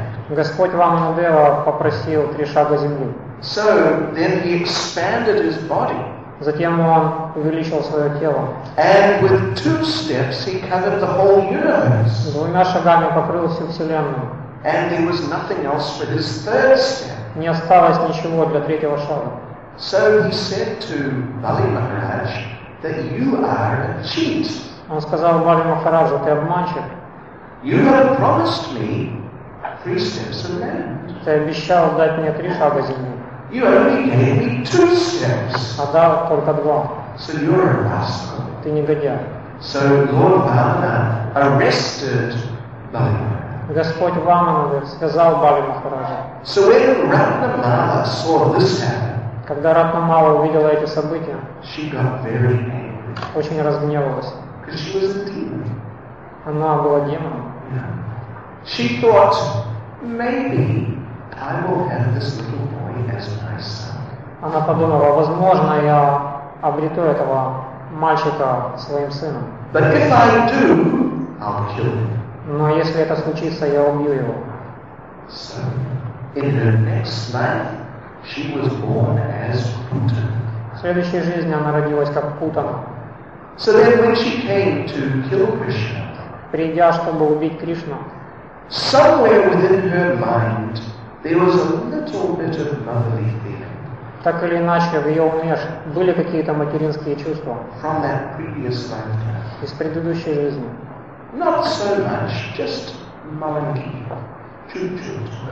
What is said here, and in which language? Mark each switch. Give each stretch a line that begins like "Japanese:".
Russian: Господь Ваманадева попросил три шага земли.
English: So, then he expanded his body.
Russian: Затем он увеличил свое тело.
English: And with two steps he covered the whole universe.
Russian: Двумя шагами покрыл всю Вселенную.
English: And there was nothing else for his third step.
Russian: Не осталось ничего для третьего шага.
English: So he said to Bali Maharaj that you are a cheat.
Russian: Он сказал Бали Махараджу, ты обманщик.
English: You have promised me three steps of land.
Russian: Ты обещал дать мне три шага земли.
English: You only gave me two steps.
Russian: А дал только два.
English: So you're a rascal.
Russian: Ты негодяй.
English: So Lord Vamana arrested Bali Maharaj.
Russian: Господь Ваманадев сказал Бали Махараджу.
English: So when Ратнамала saw this happen,
Russian: когда Ратнамала увидела эти события,
English: she got very angry.
Russian: Очень разгневалась.
English: Because she was a demon.
Russian: Она была демоном.
English: Yeah. She thought, maybe I will have this little boy as my son.
Russian: Она подумала, возможно, я обрету этого мальчика своим сыном.
English: But if I do, I'll kill him.
Russian: Но если это случится, я убью его.
English: So, in her next life, she was born as Putana.
Russian: В следующей жизни она родилась как Путана.
English: So then when she came to kill Krishna,
Russian: придя, чтобы убить Кришну,
English: somewhere within her mind, there was a little bit of motherly feeling.
Russian: Так или иначе, в ее уме были какие-то материнские чувства.
English: From that previous life.
Russian: Из предыдущей жизни.
English: Not so much, just
Russian: маленький, чуть-чуть.